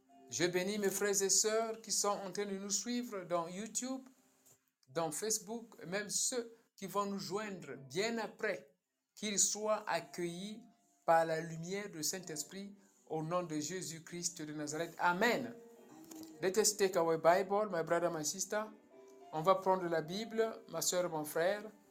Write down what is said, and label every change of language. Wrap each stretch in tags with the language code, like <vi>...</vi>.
<fr>Je bénis mes frères et sœurs qui sont en train de nous suivre dans YouTube, dans Facebook, même ceux qui vont nous joindre bien après, qu'ils soient accueillis par la lumière du Saint-Esprit au nom de Jésus-Christ de Nazareth. Amen.</fr> <en>Let us take our Bible, my brother, my sister.</en> <fr>On va prendre la Bible, ma sœur, mon frère.</fr>